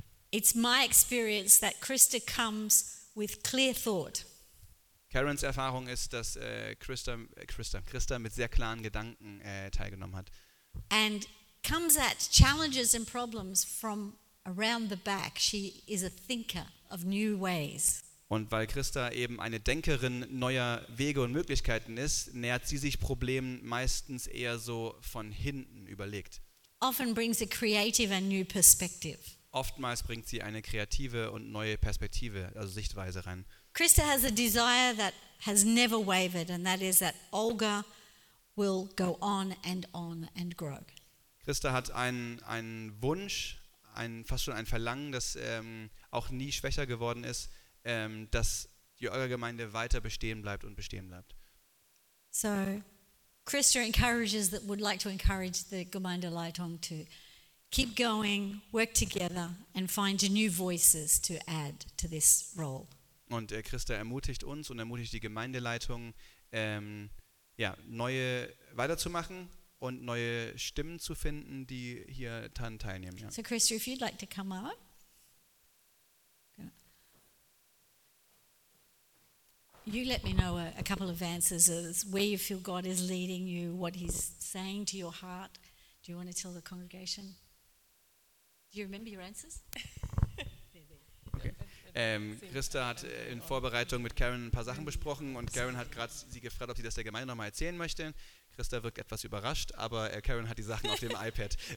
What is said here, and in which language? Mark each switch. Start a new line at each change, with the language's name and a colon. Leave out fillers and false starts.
English: It's my experience that Christa comes with clear thought.
German: Karens Erfahrung ist, dass Christa mit sehr klaren Gedanken teilgenommen hat.
English: And comes at challenges and problems from around the back. She is a thinker of new ways.
German: Und weil Christa eben eine Denkerin neuer Wege und Möglichkeiten ist, nähert sie sich Problemen meistens eher so von hinten überlegt.
English: Often brings a creative and new perspective.
German: Oftmals bringt sie eine kreative und neue Perspektive, also Sichtweise rein.
English: Christa has a desire that has never wavered, and that is that Olga will go on and grow.
German: Christa hat einen Wunsch, fast schon ein Verlangen, das auch nie schwächer geworden ist, dass die Olga-Gemeinde weiter bestehen bleibt und bestehen bleibt.
English: So, Christa encourages that would like to encourage the Gemeindeleitung to keep going, work together, and find new voices to add to this role.
German: Und Christa ermutigt uns und ermutigt die Gemeindeleitung, neue weiterzumachen und neue Stimmen zu finden, die hier daran teilnehmen. Ja.
English: So Christa, if you'd like to come up. you let me know a couple of answers as where you feel God is leading you, what he's saying to your heart. Do you want to tell the congregation? Do you remember your answers?
German: Christa hat in Vorbereitung mit Karen ein paar Sachen besprochen und Karen hat gerade sie gefragt, ob sie das der Gemeinde nochmal erzählen möchte. Christa wirkt etwas überrascht, aber Karen hat die Sachen auf dem iPad.